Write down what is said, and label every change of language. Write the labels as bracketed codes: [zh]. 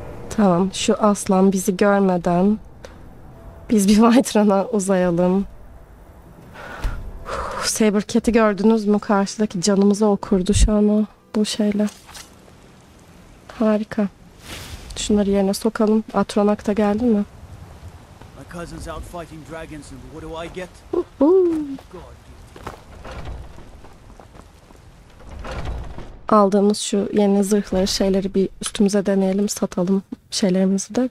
[tr] Tamam, şu aslan bizi görmeden biz bir White Run'a uzayalım. Saber Cat'i gördünüz mü? Karşıdaki canımıza okurdu şu an o bu şeyle. Harika. Şunları yerine sokalım. Atronach da geldi mi? [en] cousins out fighting dragons, and what do I get? [tr] Aldığımız şu yeni zırhları, şeyleri bir üstümüze deneyelim, satalım şeylerimizi de.